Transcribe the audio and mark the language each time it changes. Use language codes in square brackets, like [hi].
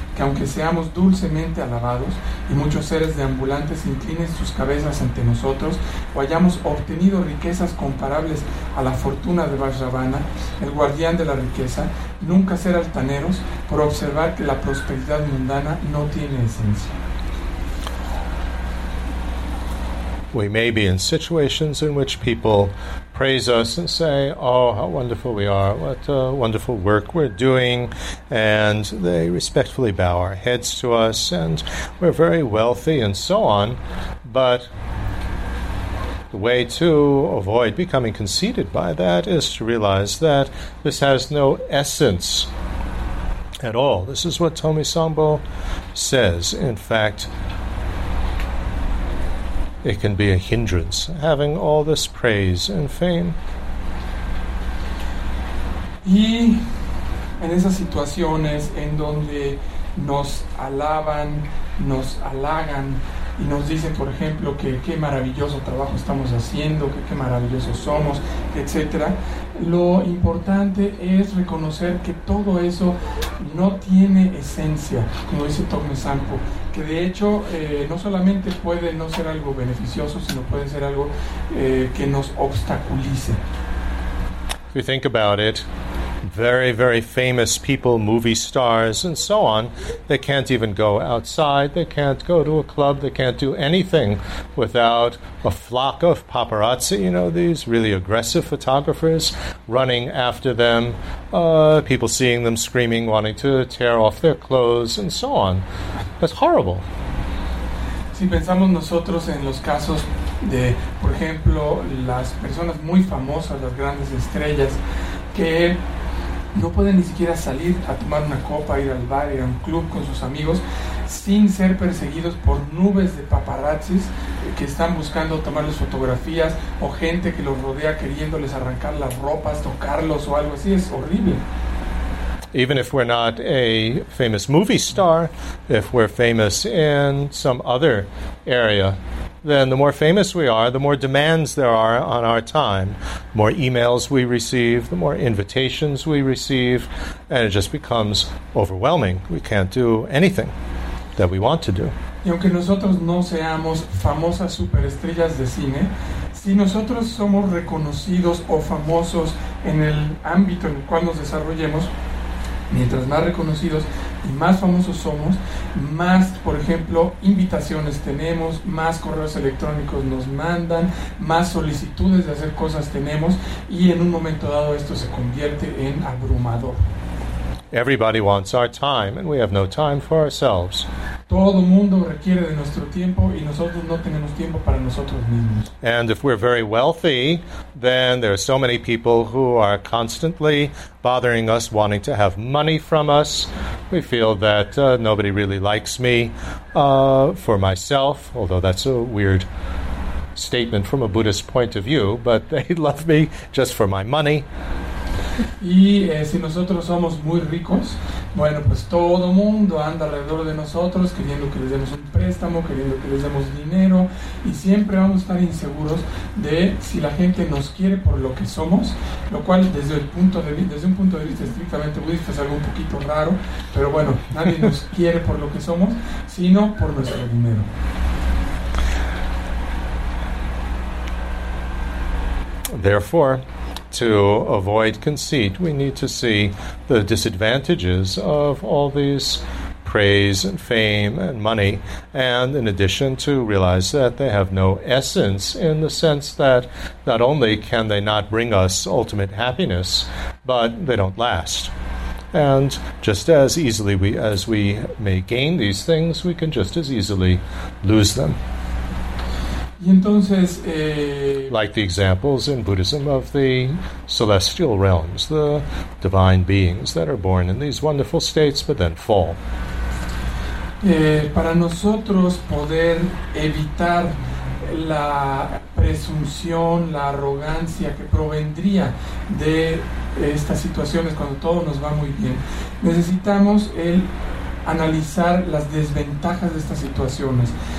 [es] que aunque seamos dulcemente alabados y muchos seres deambulantes inclinen sus cabezas ante nosotros o hayamos obtenido riquezas comparables a la fortuna de Vajravana, el guardián de la riqueza, nunca ser altaneros por observar que la prosperidad mundana no tiene esencia. [en] We may be in situations in which people praise us and say, oh, how wonderful we are, what wonderful work we're doing, and they respectfully bow our heads to us, and we're very wealthy and so on, but the way to avoid becoming conceited by that is to realize that this has no essence at all. This is what Tomi Sambo says. In fact, it can be a hindrance, having all this praise and fame. [es] Y en esas situaciones en donde nos alaban, nos halagan, y nos dicen, por ejemplo, que qué maravilloso trabajo estamos haciendo, que qué maravillosos somos, etc. Lo importante es reconocer que todo eso no tiene esencia, como dice Tomi Sampo, que de hecho no solamente puede no ser algo beneficioso, sino puede ser algo que nos obstaculice. [en] If you think about it, very, very famous people, movie stars, and so on, they can't even go outside, they can't go to a club, they can't do anything without a flock of paparazzi, you know, these really aggressive photographers running after them, people seeing them screaming, wanting to tear off their clothes, and so on. That's horrible. [es] Si pensamos nosotros en los casos de, por ejemplo, las personas muy famosas, las grandes estrellas, que no pueden ni siquiera salir a tomar una copa, ir al bar, ir a un club con sus amigos sin ser perseguidos por nubes de paparazzis que están buscando tomarles fotografías o gente que los rodea queriéndoles arrancar las ropas, tocarlos o algo así. Es horrible. [en] Even if we're not a famous movie star, if we're famous in some other area, then the more famous we are, the more demands there are on our time, the more emails we receive, the more invitations we receive, and it just becomes overwhelming. We can't do anything that we want to do. [es] Y aunque nosotros no seamos famosas superestrellas de cine, si nosotros somos reconocidos o famosos en el ámbito en el cual nos desarrollemos, mientras más reconocidos y más famosos somos, más, por ejemplo, invitaciones tenemos, más correos electrónicos nos mandan, más solicitudes de hacer cosas tenemos, y en un momento dado esto se convierte en abrumador. [en] Everybody wants our time, and we have no time for ourselves. [es] Todo mundo requiere de nuestro tiempo, y nosotros no tenemos tiempo para nosotros mismos. [en] And if we're very wealthy, then there are so many people who are constantly bothering us, wanting to have money from us. We feel that nobody really likes me for myself, although that's a weird statement from a Buddhist point of view, but they love me just for my money. [es] Y si nosotros somos muy ricos, bueno, pues todo mundo anda alrededor de nosotros queriendo que les demos un préstamo, queriendo que les demos dinero, y siempre vamos a estar inseguros de si la gente nos quiere por lo que somos, lo cual desde un punto de vista estrictamente budista es algo un poquito raro, pero bueno, nadie nos quiere por lo que somos, sino por nuestro dinero. [en] Therefore, to avoid conceit, we need to see the disadvantages of all these praise and fame and money, and in addition to realize that they have no essence in the sense that not only can they not bring us ultimate happiness, but they don't last. And just as easily as we may gain these things, we can just as easily lose them. [es] Y entonces, [en] like the examples in Buddhism of the celestial realms, the divine beings that are born in these wonderful states but then fall. [es] Para nosotros poder evitar la presunción, la arrogancia que provendría de estas situaciones cuando todo nos va muy bien, necesitamos el analizar las desventajas de estas situaciones.